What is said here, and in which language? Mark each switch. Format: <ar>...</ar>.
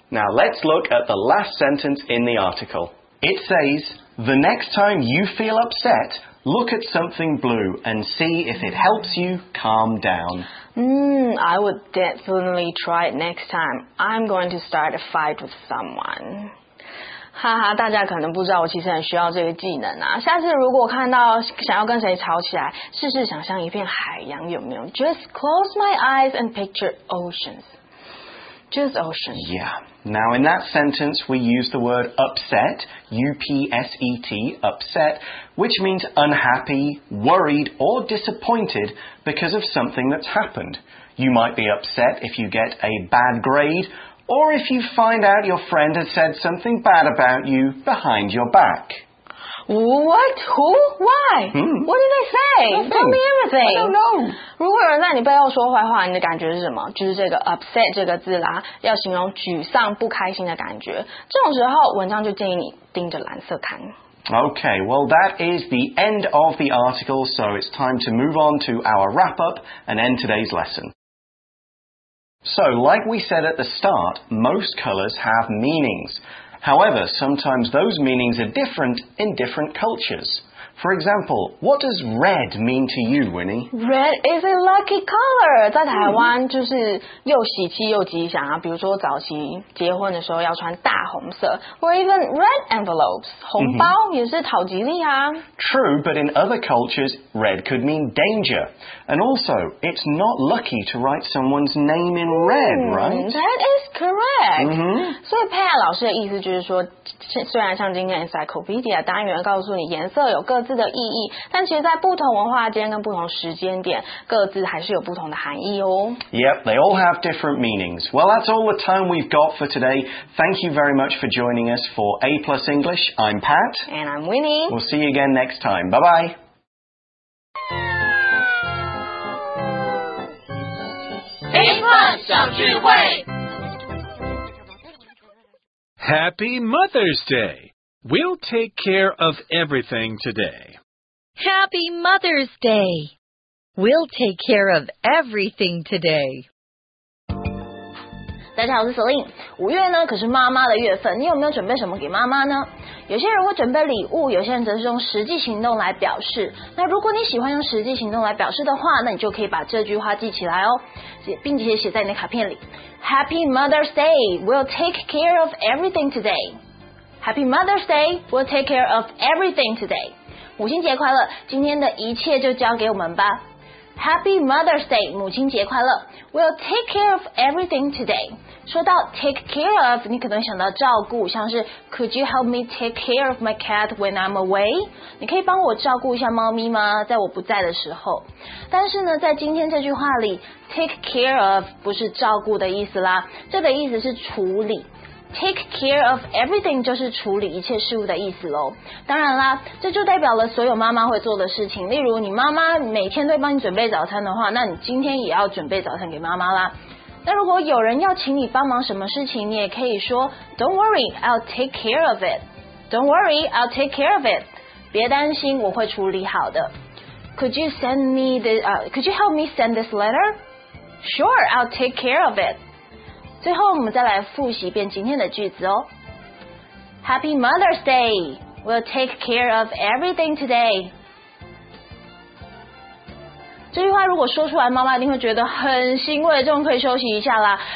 <en>Now let's look at the last sentence in the article. It says, the next time you feel upset,Look at something blue and see if it helps you calm down. I would definitely try it next time. I'm going to start a fight with someone.</en> <zh>哈哈，大家可能不知道我其实很需要这个技能啊。下次如果看到想要跟谁吵起来，试试想象一片海洋有没有。</zh> <en>Just close my eyes and picture oceans. Just oceans. Yeah. Now, in that sentence, we use the word upset, U-P-S-E-T, upset, which means unhappy, worried, or disappointed because of something that's happened. You might be upset if you get a bad grade, or if you find out your friend has said something bad about you behind your back. What? Who? Why? What did they say? Tell me everything. I don't know.</en> <zh>如果有人在你背后说坏话，你的感觉是什么？就是这个 upset 这个字啦，要形容沮丧、不开心的感觉。这种时候，文章就建议你盯着蓝色看。</zh> <en>Okay, well, that is the end of the article, so it's time to move on to our wrap-up and end today's lesson. So, like we said at the start, most colors have meanings. However, sometimes those meanings are different in different cultures. For example, what does red mean to you, Winnie? Red is a lucky color.</en> <zh>在台湾就是又喜气又吉祥啊。比如说早期结婚的时候要穿大红色。</zh> <en>Or even red envelopes.</en> <zh>红包也是讨吉利啊。</zh> <en>True, but in other cultures, red could mean danger. And also, it's not lucky to write someone's name in red, right? That is correct. 所以佩亚老师的意思就是说，虽然像今天 Encyclopedia 单元告诉你颜色有各自的意义，但其实在不同文化间跟不同时间点，各自还是有不同的含义哦。 Yep, they all have different meanings. Well, that's all the time we've got for today. Thank you very much for joining us for A Plus English. I'm Pat. And I'm Winnie. We'll see you again next time. Bye-bye.</en> <zh>A Plus 小聚会</zh> <en>Happy Mother's Day! We'll take care of everything today. Happy Mother's Day! We'll take care of everything today.</en> <zh>大家好，我是 Celine。五月呢，可是妈妈的月份，你有没有准备什么给妈妈呢？有些人会准备礼物，有些人则是用实际行动来表示。那如果你喜欢用实际行动来表示的话，那你就可以把这句话记起来哦，并且写在你的卡片里。</zh> <en>Happy Mother's Day, we'll take care of everything today. Happy Mother's Day, we'll take care of everything today.</en> <zh>母亲节快乐，今天的一切就交给我们吧。</zh> <en>Happy Mother's Day,</en> <zh>母亲节快乐。</zh> <en>We'll take care of everything today.</en> <zh>说到 take care of, 你可能想到照顾，像是</zh> <en>Could you help me take care of my cat when I'm away?</en> <zh>你可以帮我照顾一下猫咪吗？在我不在的时候。但是呢，在今天这句话里 ,take care of 不是照顾的意思啦，这个意思是处理。 Take care of everything 就是处理一切事物的意思咯。当然啦，这就代表了所有妈妈会做的事情。例如你妈妈每天都帮你准备早餐的话，那你今天也要准备早餐给妈妈啦。那如果有人要请你帮忙什么事情，你也可以说</zh> <en>Don't worry, I'll take care of it. Don't worry, I'll take care of it.</en> <zh>别担心，我会处理好的。</zh> <en>Could you send me the, could you help me send this letter? Sure, I'll take care of it.</en> <zh>最后我们再来复习一遍今天的句子哦。</zh> <en>Happy Mother's Day! We'll take care of everything today.</en> <zh>这句话如果说出来，妈妈一定会觉得很欣慰，终于可以休息一下啦。</zh>